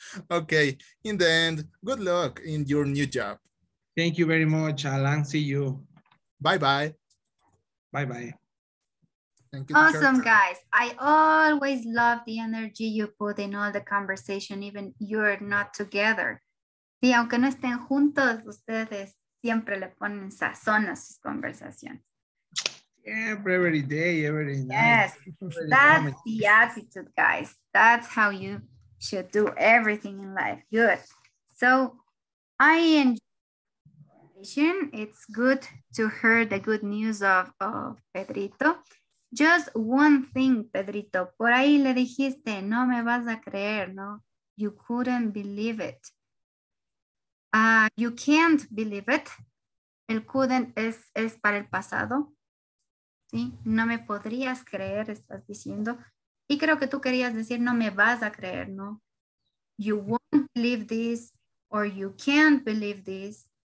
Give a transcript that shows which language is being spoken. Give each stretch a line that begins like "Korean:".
English: Okay, in the end, good luck in your new job. Thank you very much, Alan. See you. Bye-bye. Bye-bye. Thank you. Awesome, guys. I always love the energy you put in all the conversation, even you're not together.
Spanish: Sí, aunque no estén juntos, ustedes siempre le ponen sazón a sus conversaciones.
English: Every day, every night. Yes, that's the attitude, guys. That's how you should do everything in life. Good. So I enjoy. It's good to hear the good news of Pedrito. Just one thing, Pedrito.
Spanish: Por ahí le dijiste, no me vas a creer, no?
English: You couldn't believe it. You can't believe it.
Spanish: El couldn't es para el pasado. ¿Sí? No me podrías creer, estás diciendo. Y creo que tú querías decir, no me vas a creer, ¿no?
English: You won't believe this or you can't believe this.